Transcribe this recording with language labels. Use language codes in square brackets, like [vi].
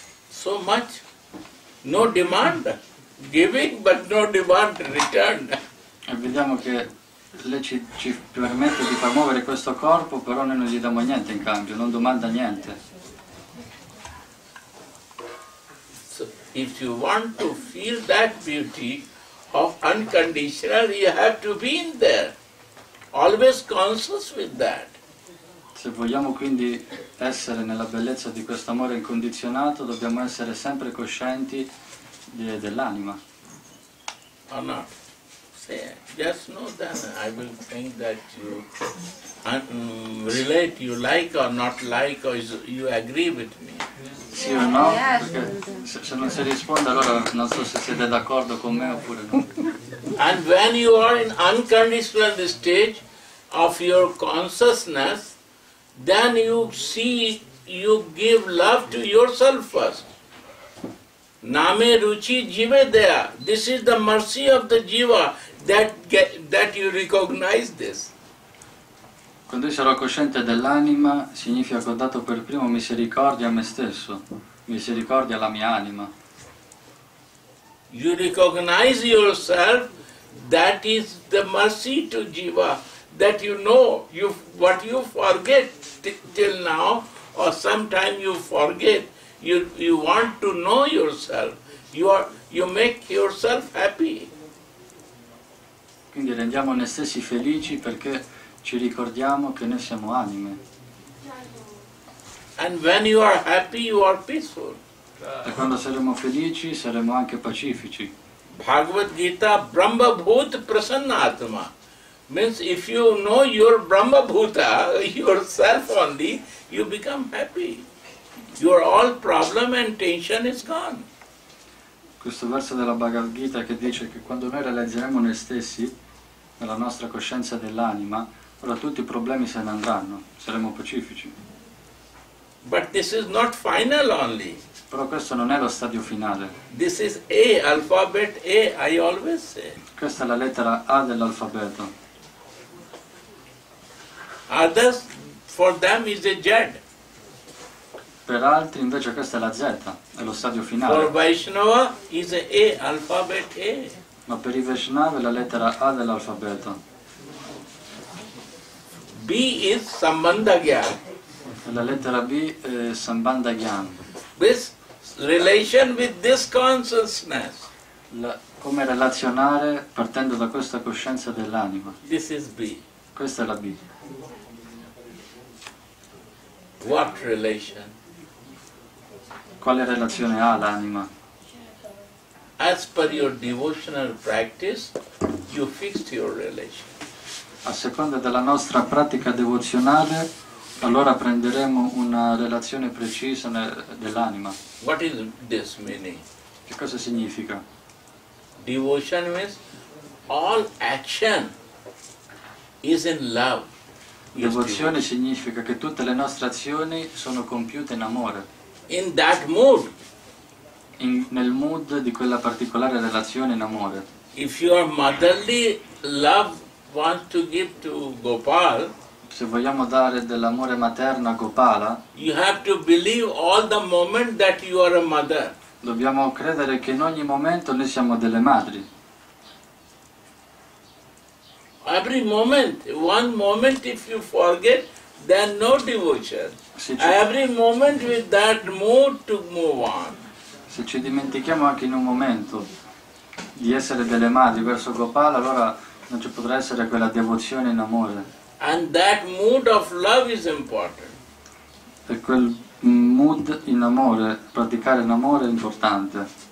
[en] So much, no demand. Giving but no demand return. [it] E vediamo che lei ci permette di far muovere questo corpo, però noi non gli diamo niente in cambio, non domanda niente. [en] So if you want to feel that beauty of unconditional, you have to be in there. Always conscious with that. [it] Se vogliamo quindi essere nella bellezza di questo amore incondizionato, dobbiamo essere sempre coscienti dell'anima. [en] Or not? Say, just know that I will think that you relate, you like or not like, or you agree with me. [it] Sì o no? Perché se non si risponde, allora non so se siete d'accordo con me oppure no. [en] And when you are in unconditional stage of your consciousness, then you see, you give love to yourself first. [sa] Name ruchi jive daya. [en] This is the mercy of the jiva that you recognize this. [it] Quando io sarò cosciente dell'anima, significa che ho dato per primo misericordia a me stesso, misericordia alla mia anima. [en] You recognize yourself, that is the mercy to jiva, that you know, what you forget till now, or sometime you forget. You want to know yourself. You make yourself happy. [it] Quindi rendiamo noi stessi felici perché ci ricordiamo che noi siamo anime. [en] And when you are happy, you are peaceful. [it] E quando saremo felici, saremo anche pacifici. [en] Bhagavad Gita, Brahma Bhut Prasannatma. Means if you know your Brahma Bhuta, yourself only, you become happy. Your all problem and tension is gone. [it] Questo verso della Bhagavad Gita che dice che quando noi realizzeremo noi stessi, nella nostra coscienza dell'anima, allora tutti i problemi se ne andranno, saremo pacifici. [en] But this is not final only. [it] Però questo non è lo stadio finale. [en] This is A, alphabet A, I always say. [it] Questa è la lettera A dell'alfabeto. [en] Others, for them is a Z. [it] Per altri invece questa è la Z, è lo stadio finale. [en] For Vaishnava is A, alphabet A. [it] Ma per i Vaishnava è la lettera A dell'alfabeto. [en] B is Sambhandha Gyan. [it] La lettera B è Sambhandha Gyan. [en] This relation with this consciousness. [it] Come relazionare partendo da questa coscienza dell'anima. [en] This is B. [it] Questa è la B. [en] What relation? [it] Quale relazione ha l'anima? [en] As per your devotional practice, you fix your relation. [it] A seconda della nostra pratica devozionale, allora prenderemo una relazione precisa dell'anima. [en] What is this meaning? [it] Che cosa significa? [en] Devotion means all action is in love. [it] Devozione significa che tutte le nostre azioni sono compiute in amore. [en] In that mood. [it] Nel mood di quella particolare relazione in amore. [en] If your motherly love wants to give to Gopal, [it] se vogliamo dare dell'amore materno a Gopala, [en] you have to believe all the moment that you are a mother. [it] Dobbiamo credere che in ogni momento noi siamo delle madri. [en] Every moment, one moment if you forget, then no devotion. Every moment with that mood to move on. [it] Se ci dimentichiamo anche in un momento di essere delle madri verso Gopala, allora non ci potrà essere quella devozione in amore. [en] And that mood of love is important. [it] E quel mood in amore, praticare in amore è importante.